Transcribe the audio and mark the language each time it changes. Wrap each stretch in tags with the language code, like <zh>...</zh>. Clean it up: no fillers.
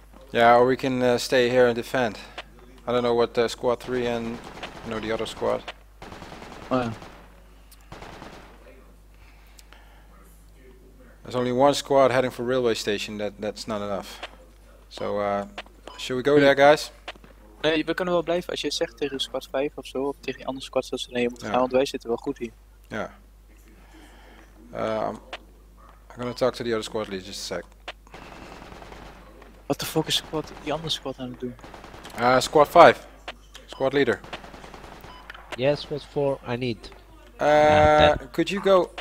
<en>Yeah, or we can stay here and defend. I don't know what squad 3 and you know, the other squad. Oh yeah. There's only one squad heading for railway station, that's not enough. So, should we go there, guys?</en> <nl>Nee, we kunnen wel blijven als je zegt tegen squad 5 of zo, of tegen andere squads dat ze nee moeten gaan, want wij zitten wel goed hier. Ja. Yeah.</nl> <en>I'm gonna talk to the other squad leader, just a sec. What the fuck is squad, the other squad</en> <nl>aan het doen?</nl> <en>Squad 5. Squad leader. Yes, squad 4, I need. Could you go...</en>